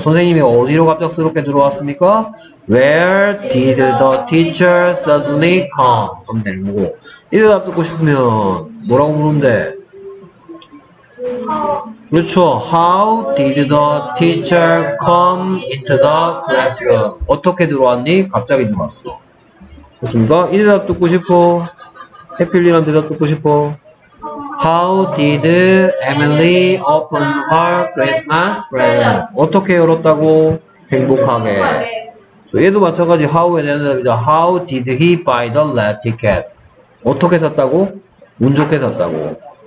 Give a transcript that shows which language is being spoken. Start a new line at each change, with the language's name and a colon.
Korean: 선생님이 어디로 갑작스럽게 들어왔습니까?
English: Where did the teacher suddenly come?
Korean: 하면 되는 거고. 이 대답 듣고 싶으면 뭐라고 물는데? 그렇죠.
English: How did the teacher come into the classroom?
Korean: 어떻게 들어왔니? 갑자기 들어왔어. 그렇습니까? 이 대답 듣고 싶어. 해필리란 대답 듣고 싶어.
English: How did Emily open her Christmas present?
Korean: 어떻게 열었다고? 행복하게. 얘도 마찬가지 how에 대한 대답이죠.
English: How did he buy the lab ticket?
Korean: 어떻게 샀다고? 운 좋게 샀다고.